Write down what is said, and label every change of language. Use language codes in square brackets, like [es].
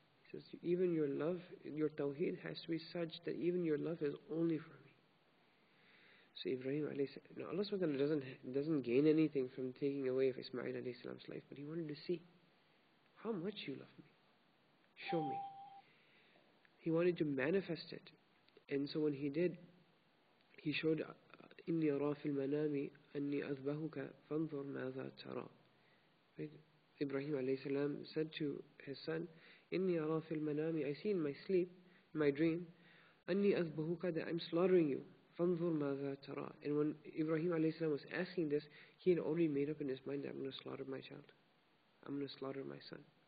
[en] He says, even your love, your tawheed has to be such that even your love is only for me. So Ibrahim alayhi salam, now Allah subhanahu wa ta'ala doesn't gain anything from taking away of Ismail alayhi salam's life, but he wanted to see how much you love me. Show me. He wanted to manifest it. And so when he did, he showed, [ar] إِنِّي أَرَى فِي الْمَنَامِ أَنِّي أَذْبَهُكَ فَانْظُرْ مَاذَا تَرَى. [en] Ibrahim alayhi salam said to his son, [ar] إِنِّي أَرَى فِي الْمَنَامِ, [en] I see in my sleep, my dream, [ar] أَنِّي أَذْبَهُكَ, [en] that I'm slaughtering you. [ar] فَانْظُرْ مَاذَا تَرَى. [en] And when Ibrahim alayhi salam was asking this, he had already made up in his mind that I'm going to slaughter my child. I'm going to slaughter my son.